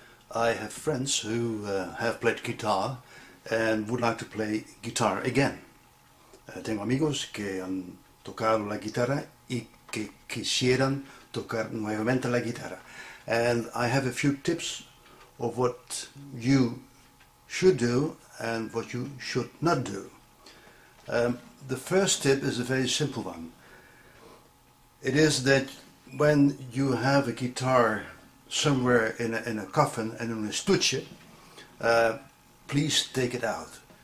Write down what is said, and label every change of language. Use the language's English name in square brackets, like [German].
[English] I have friends who have played guitar and would like to play guitar again. [Spanish] Tengo amigos que han tocado la guitarra y que quisieran tocar nuevamente la guitarra. [English] And I have a few tips of what you should do and what you should not do. The first tip is a very simple one. It is that when you have a guitar somewhere in a coffin and in an estuche, please take it out.